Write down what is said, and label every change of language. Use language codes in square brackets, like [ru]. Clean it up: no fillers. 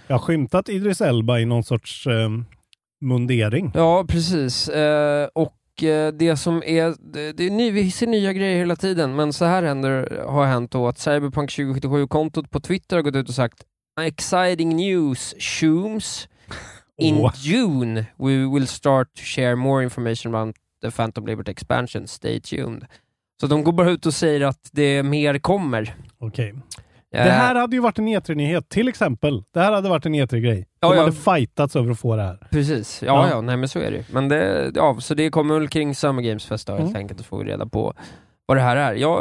[sv] Jag har skymtat Idris Elba i någon sorts mundering. Ja, precis. Och det som är, det är ny, vi ser nya grejer hela tiden, men så här händer, har hänt då att Cyberpunk 2077-kontot på Twitter har gått ut och sagt: [en] "Exciting news, shooms. In June we will start to share more information about the Phantom Liberty expansion. Stay tuned." [sv] Så de går bara ut och säger att det mer kommer. Okej. Okay. Det här hade ju varit en E3-nyhet till exempel. Det här hade varit en E3-grej. De hade fightats över att få det här. Precis. Ja, ja. Nej, men så är det ju. Men det, ja, så det kommer väl kring Summer Games Fest då, helt enkelt, att få reda på vad det här är.